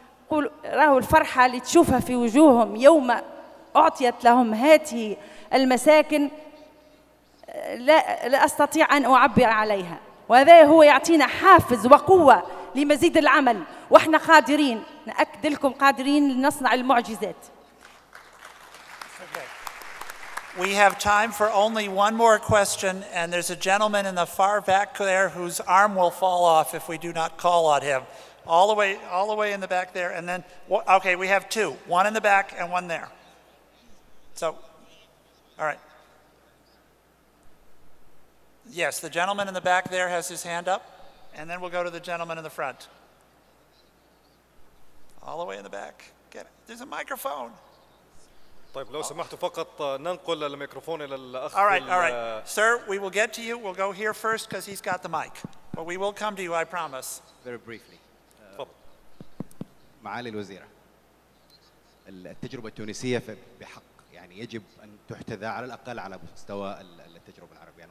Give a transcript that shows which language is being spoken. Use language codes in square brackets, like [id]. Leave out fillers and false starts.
[ar] قول راهو الفرحة اللي تشوفها في وجوههم يوم أعطيت لهم هذه المساكن لا أستطيع أن أعبر عليها. وهذا هو يعطينا حافز وقوة لمزيد العمل, وإحنا قادرين, نأكد لكم قادرين لنصنع المعجزات. [en] Okay. We have time for only one more question, and there's a gentleman in the far back there whose arm will fall off if we do not call on him. All the way in the back there, and then, okay, we have two, one in the back and one there. So, all right. Yes, the gentleman in the back there has his hand up, and then we'll go to the gentleman in the front. All the way in the back. Get it. There's a microphone. [ar] طيب لو سمحت فقط ننقل الميكروفون إلى الأخ. [en] All right. Sir, we will get to you. We'll go here first because he's got the mic. But we will come to you, I promise. Very briefly. [ar] معالي الوزيرة, التجربة التونسية بحق يعني يجب أن تحتذى على الأقل على مستوى التجربة العربية.